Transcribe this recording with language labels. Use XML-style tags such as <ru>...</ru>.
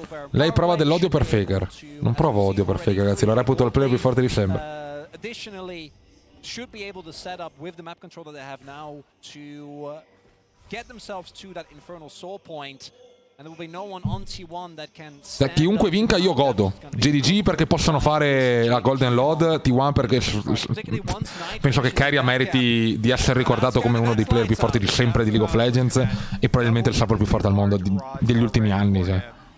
<it>Lei prova dell'odio per Faker. Non provo odio per Faker, ragazzi, lo reputo il player più forte di sempre.</it> <en>Should be able to set up with the map control that they have now to get themselves to that infernal soul point. And there will be no one on T1 that can</en> <it>da chiunque vinca io godo. JDG perché possono fare la Golden Lord, T1 perché penso che Kyria meriti di essere ricordato come uno dei player più forti di sempre di League of Legends e probabilmente il support più forte al mondo degli ultimi anni, cioè.</it>